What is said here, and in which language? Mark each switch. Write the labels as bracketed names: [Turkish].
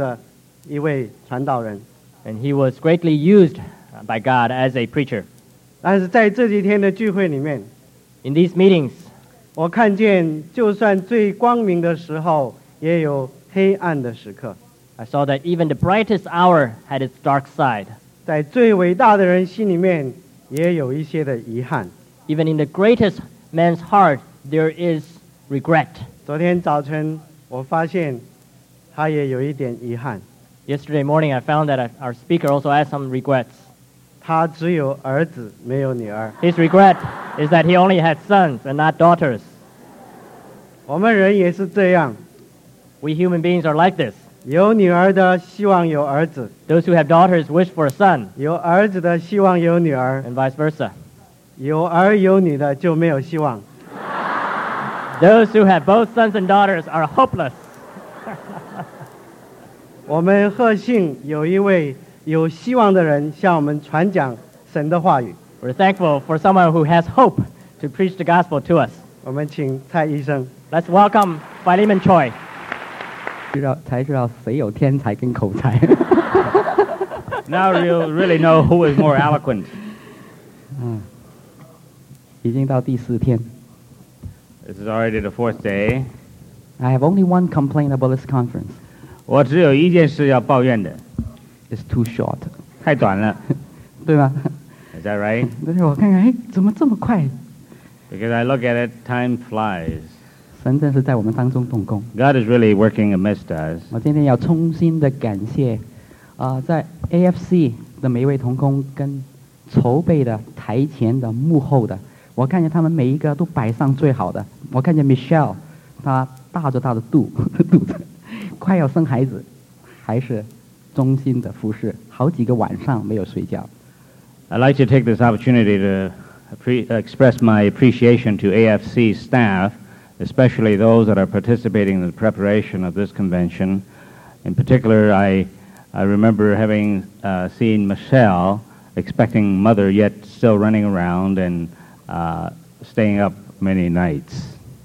[Chinese] 成为上帝所大大使用的一位传道人, [English] and he was greatly used by God as a preacher. [Chinese] 但是在这几天的聚会里面, [English] in these meetings, [Chinese] 我看见就算最光明的时候, 也有黑暗的时刻, [English] I saw that even the brightest hour had its dark side. [Chinese] 在最伟大的人心里面, 也有一些的遗憾, [English] even in the greatest man's heart, there is regret. [Chinese] 昨天早晨, 我发现他也有一点遗憾, [English] yesterday morning, I found that our speaker also had some regrets. [Chinese] 他只有儿子, 没有女儿, [English] his regret is that he only had sons and not daughters. [Chinese] 我们人也是这样, [English] we human beings are like this. [Chinese] 有女儿的希望有儿子, [English] those who have daughters wish for a son. [Chinese] 有儿子的希望有女儿, [English] and vice versa. [Chinese] 有儿有女的就没有希望, [English] those who have both sons and daughters are hopeless. [Chinese] 我们贺幸有一位有希望的人向我们传讲神的话语, [English] we're thankful for someone who has hope to preach the gospel to us. [Chinese] 我们请蔡医生, [English] let's welcome Philemon Choi. [Chinese] 才知道谁有天才跟口才. [English] Now you'll really know who is more eloquent. [Chinese] 已经到第四天, [English] This is already the fourth day. I have only one complaint about this conference. [Chinese] 我只有一件事要抱怨的. [English] It's too short. [Chinese] 太短了. 对吧? [English] Is that right? [Chinese] 对,我看看, 怎么这么快? [English] Because I look at it, time flies. [Chinese] 神真是在我们当中动工. [English] God is really working amidst us. [Chinese] 我今天要衷心地感谢, 在AFC 的每一位同工跟筹备的台前的幕后的, 我看见他们每一个都摆上最好的, 我看见Michelle, 她大着大的肚子, 快要生孩子, 还是忠心的服侍, 好几个晚上没有睡觉。 [English] I'd like to take this opportunity to express my appreciation to AFC staff, especially those that are participating in the preparation of this convention. In particular, I remember having seen Michelle expecting mother yet still running around and staying up many nights.